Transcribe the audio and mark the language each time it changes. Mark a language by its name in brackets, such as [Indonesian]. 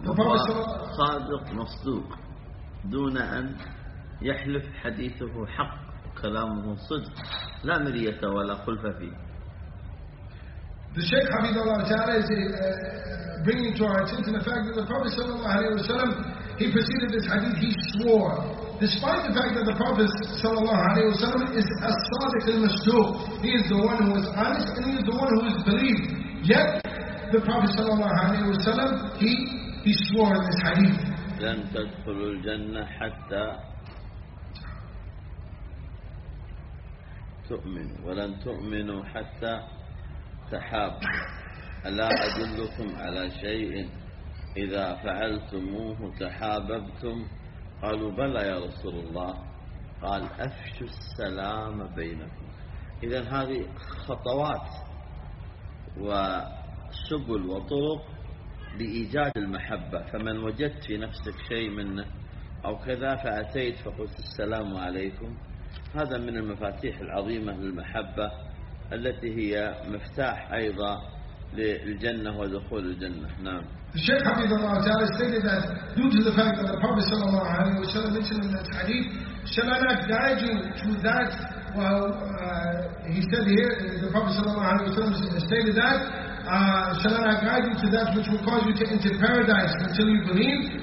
[English] The Prophet [Arabic] صادق مصدوق دون أن يحلف حديثه حق. كلامه صدق لا مرية ولا خلف فيه. [English] The Sheikh Hafidhullah Ta'ala is bringing to our attention the fact that the Prophet sallallahu alayhi wa sallam, he preceded this hadith, he swore. Despite the fact that the Prophet sallallahu alayhi wa sallam is as-sadiq al-mashduq, he is the one who is honest and he is the one who is believed. Yet, the Prophet sallallahu alayhi wa sallam, he swore this hadith. [Arabic] لن تدخل الجنة حتى تؤمن ولن تؤمنوا حتى تحاب. ألا أدلكم على شيء إذا فعلتموه تحاببتم؟ قالوا بلى يا رسول الله. قال أفشوا السلام بينكم. إذن هذه خطوات وسبل وطرق لإيجاد المحبة، فمن وجدت في نفسك شيء منه أو كذا فأتيت فقلت السلام عليكم، هذا من المفاتيح العظيمة للمحبة التي هي مفتاح أيضا للجنة ودخول الجنة. نعم. الشيخ حفظ الله تعالى [English] stated that due to the fact that the Prophet [Arabic] صلى الله عليه وسلم [English] mentioned in that hadith, shall I not guide you to that? Well, he said here, the Prophet [Arabic] صلى الله عليه وسلم [English] stated that, shall I not guide you to that which will cause you to enter paradise until you believe?